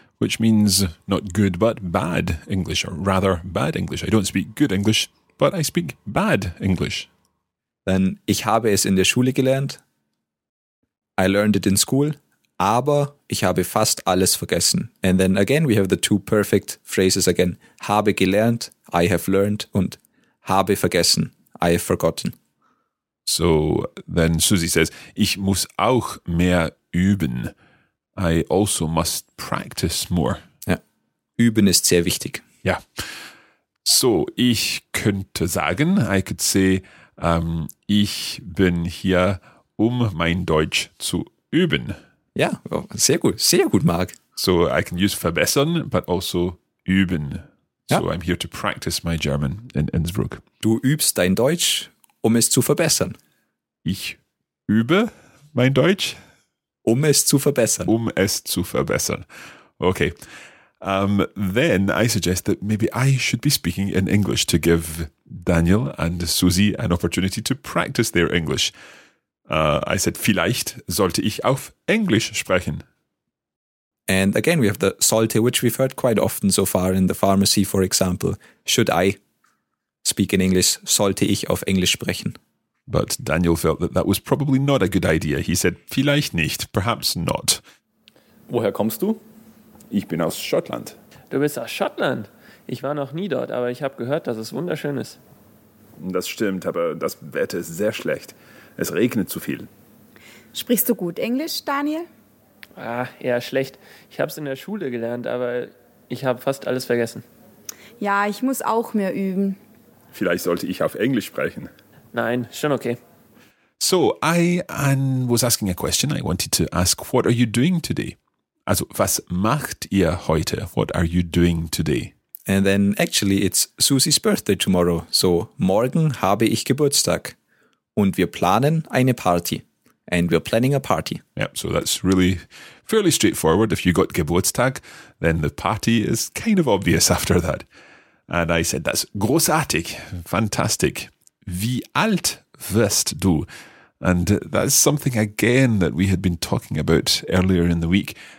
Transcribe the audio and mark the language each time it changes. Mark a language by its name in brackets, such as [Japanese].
[English] Which means not good, but bad English, or rather bad English. I don't speak good English, but I speak bad English. [German] Then, ich habe es in der Schule gelernt. [English] I learned it in school. [German] Aber ich habe fast alles vergessen. [English] And then again, we have the two perfect phrases again. [German] Habe gelernt, [English] I have learned, und [German] habe vergessen, [English] I have forgotten. So then Susie says, [German] ich muss auch mehr üben. [English] I also must practice more. [German] Ja, üben ist sehr wichtig. Ja. So, ich könnte sagen, [English] I could say, [German] ich bin hier, um mein Deutsch zu üben. Ja, sehr gut, Marc. [English] So, I can use verbessern, but also üben. Ja. So, I'm here to practice my German in Innsbruck. [German] Du übst dein Deutsch, um es zu verbessern. Ich übe mein Deutsch. Um es zu verbessern. Um es zu verbessern. Okay. [English] Then I suggest that maybe I should be speaking in English to give Daniel and Susie an opportunity to practice their English. I said, [German] vielleicht sollte ich auf Englisch sprechen. [English] And again, we have the sollte, which we've heard quite often so far in the pharmacy, for example. Should I speak in English? [German] Sollte ich auf Englisch sprechen? [English] But Daniel felt that that was probably not a good idea. He said, [German] vielleicht nicht, [English] perhaps not. [German] Woher kommst du? Ich bin aus Schottland. Du bist aus Schottland? Ich war noch nie dort, aber ich habe gehört, dass es wunderschön ist. Das stimmt, aber das Wetter ist sehr schlecht. Es regnet zu viel. Sprichst du gut Englisch, Daniel? Ah, eher schlecht. Ich habe es in der Schule gelernt, aber ich habe fast alles vergessen. Ja, ich muss auch mehr üben. Vielleicht sollte ich auf Englisch sprechen. Nein, schon okay. [English] So, I was asking a question. I wanted to ask, what are you doing today? [German] Also, was macht ihr heute? [English] What are you doing today? And then, actually, it's Susie's birthday tomorrow. [German] So, morgen habe ich Geburtstag. Und wir planen eine Party. [English] And we're planning a party. Yep, so that's really fairly straightforward. If you got Geburtstag, then the party is kind of obvious after that. And I said, that's großartig, fantastic. [German] Wie alt wirst du? [English] And that's something, again, that we had been talking about earlier in the week.